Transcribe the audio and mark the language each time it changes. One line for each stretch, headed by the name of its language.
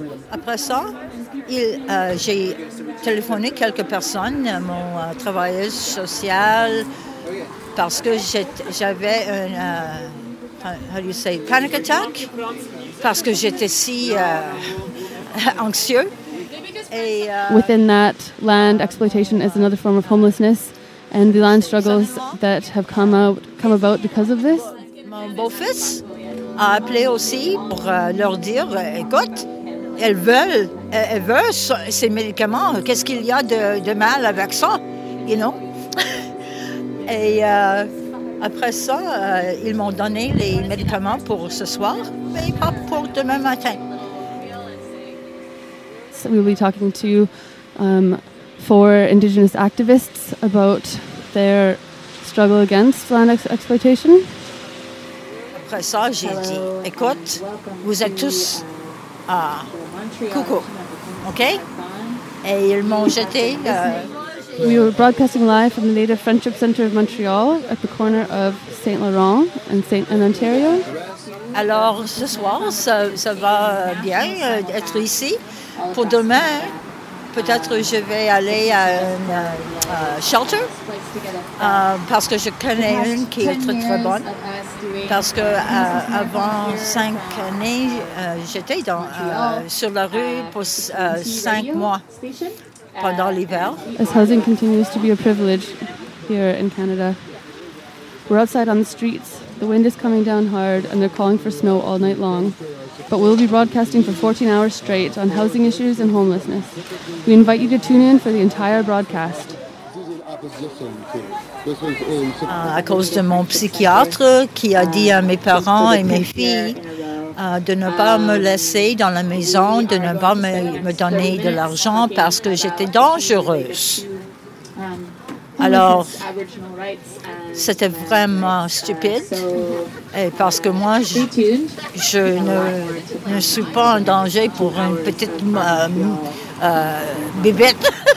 French: Après ça, j'ai téléphoné quelques personnes, mon travailleuse sociale, parce que j'avais un
English: panic attack,
French: parce que j'étais si anxieux.
English: Et, within that, land exploitation is another form of homelessness. And the land struggles that have come about because of this.
French: Mon beau-fils a appelé aussi pour leur dire, écoute, elles veulent ces médicaments. Qu'est-ce qu'il y a de mal avec ça,
English: you know?
French: Et après ça, ils m'ont donné les médicaments pour ce soir, mais pas pour demain matin.
English: So we'll be talking to four Indigenous activists about their struggle against land exploitation.
French: Après ça, j'ai dit, écoute, vous êtes tous coucou, OK? Et ils m'ont jeté.
English: We were broadcasting live from the Native Friendship Center of Montreal at the corner of St. Laurent and St. in Ontario.
French: Alors, ce soir, ça va bien être ici. Pour demain, peut-être je vais aller à un shelter parce que je connais une qui est très très bonne. Parce que avant 5 années, j'étais dans sur la rue pour 5 mois pendant l'hiver.
English: As housing continues to be a privilege here in Canada, we're outside on the streets. The wind is coming down hard, and they're calling for snow all night long. But we'll be broadcasting for 14 hours straight on housing issues and homelessness. We invite you to tune in for the entire broadcast.
French: À cause de mon psychiatre qui a dit à mes parents et mes filles de ne pas me laisser dans la maison, de ne pas me donner de l'argent parce que j'étais dangereuse. Alors, c'était vraiment stupide, et parce que moi, je ne suis pas en danger pour une petite bibitte.